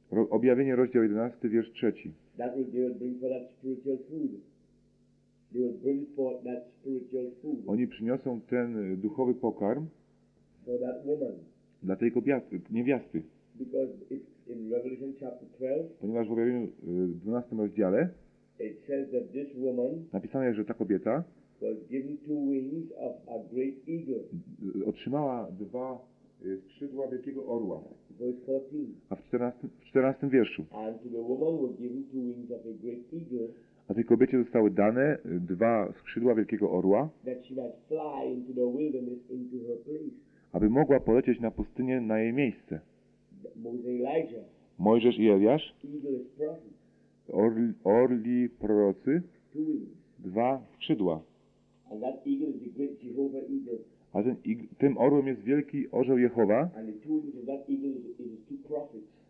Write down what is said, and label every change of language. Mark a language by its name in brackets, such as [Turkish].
[Polish] Objawienie rozdział 11, wiersz 3. [English] That is, they will bring for that spiritual food. They will bring for that spiritual food. [Polish] Oni przyniosą ten duchowy pokarm [English] for that woman. [Polish] Dla tej kobiety, niewiasty. [English] Because it's in Revelation chapter 12, [Polish] ponieważ w objawieniu 12 rozdziale [English] it says that this woman, [Polish] napisane jest, że ta kobieta [English] was given two wings of a great eagle. [Polish] Otrzymała dwa skrzydła wielkiego orła. [English] Verse 14. [Polish] A w 14 wierszu. [English] And to the woman was given two wings of a great eagle. [Polish] A tej kobiecie zostały dane dwa skrzydła wielkiego orła, [English] that she might fly into the wilderness into her place. [Polish] Aby mogła polecieć na pustynię na jej miejsce. [English] Elijah, [Polish] Mojżesz i Eliasz, [English] eagle is prophet. [Polish] Orli prorocy, [English] two wings. [Polish] Dwa skrzydła. [English] And that eagle is the great Jehovah eagle. [Polish] A ten, tym orłem jest wielki orzeł Jehowa. [English] And the two wings of that eagle is two prophets.